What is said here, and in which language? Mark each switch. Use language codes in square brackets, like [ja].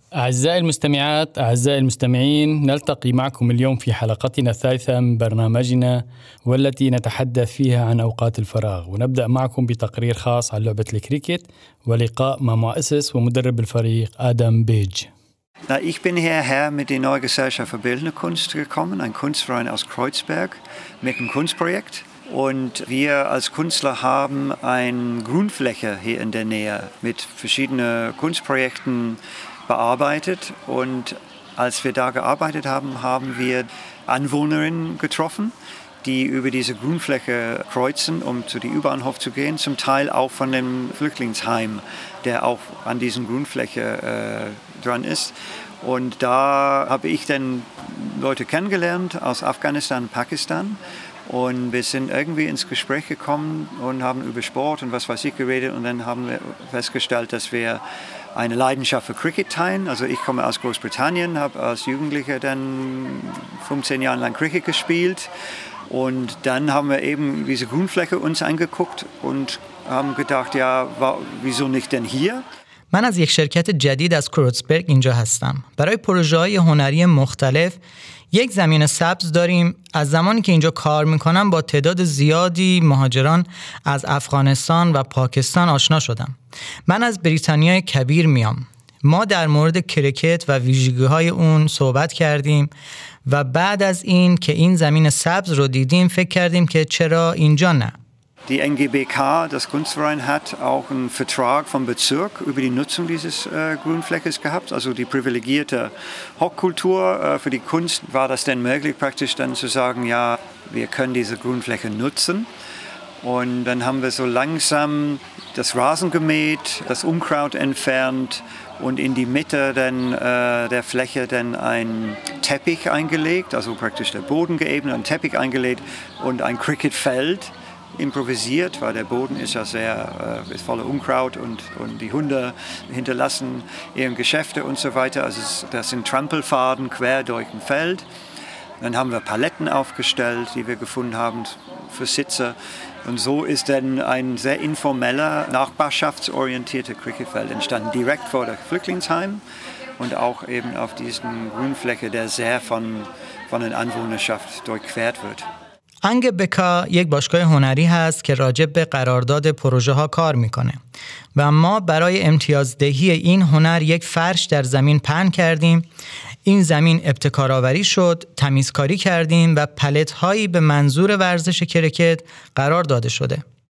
[ar] أعزائي المستمعات أعزائي المستمعين نلتقي معكم اليوم في حلقتنا الثالثة من برنامجنا والتي نتحدث فيها عن أوقات الفراغ ونبدأ معكم بتقرير خاص عن لعبة الكريكت ولقاء مع مؤسس ومدرب الفريق آدم بيج [de] Na, ich bin hierher mit der neuen Gesellschaft für Bildende Kunst gekommen, ein Kunstverein aus Kreuzberg mit einem Kunstprojekt. Und wir als Künstler haben eine Grünfläche hier in der Nähe mit verschiedenen Kunstprojekten bearbeitet und als wir da gearbeitet haben, haben wir Anwohnerinnen getroffen, die über diese Grünfläche kreuzen, um zu dem U-Bahnhof zu gehen, zum Teil auch von dem Flüchtlingsheim, der auch an diesen Grünfläche dran ist. Und da habe ich dann Leute kennengelernt aus Afghanistan und Pakistan. Und wir sind irgendwie ins Gespräch gekommen und haben über Sport und was weiß ich geredet. Und dann haben wir festgestellt, dass wir eine Leidenschaft für Cricket teilen. Also ich komme aus Großbritannien, habe als Jugendlicher dann 15 Jahre lang Cricket gespielt. Und dann haben wir eben diese Grünfläche uns angeguckt und haben gedacht, ja, wieso nicht denn hier? [fa] من از یک شرکت جدید از کروتسبرگ اینجا هستم. برای پروژه‌های هنری مختلف یک زمین سبز داریم. از زمانی که اینجا کار می‌کنم با تعداد زیادی مهاجران از افغانستان و پاکستان آشنا شدم. من از بریتانیای کبیر میام. ما در مورد کرکت و ویژگی‌های اون صحبت کردیم و بعد از این که این زمین سبز رو دیدیم فکر کردیم که چرا اینجا نه؟ [de] Die NGBK, das Kunstverein, hat auch einen Vertrag vom Bezirk über die Nutzung dieses Grünfleckes gehabt. Also die privilegierte Hochkultur für die Kunst war das denn möglich, praktisch dann zu sagen, ja, wir können diese Grünfläche nutzen. Und dann haben wir so langsam das Rasen gemäht, das Unkraut entfernt und in die Mitte dann, der Fläche dann ein Teppich eingelegt, also praktisch der Boden geebnet, ein Teppich eingelegt und ein Cricketfeld. Improvisiert, weil der Boden ist ja sehr ist voller Unkraut und die Hunde hinterlassen ihre Geschäfte und so weiter. Also das sind Trampelfaden quer durch ein Feld. Dann haben wir Paletten aufgestellt, die wir gefunden haben für Sitze. Und so ist dann ein sehr informeller, nachbarschaftsorientierter Cricketfeld entstanden, direkt vor dem Flüchtlingsheim und auch eben auf diesen Grünfläche, der sehr von der Anwohnerschaft durchquert wird. [fa] انگ بکا یک باشگاه هنری هست که راجع به قرارداد پروژه ها کار میکنه و ما برای امتیازدهی این هنر یک فرش در زمین پهن کردیم. این زمین ابتکاراوری شد، تمیزکاری کردیم و پلت هایی به منظور ورزش کرکت قرار داده شده.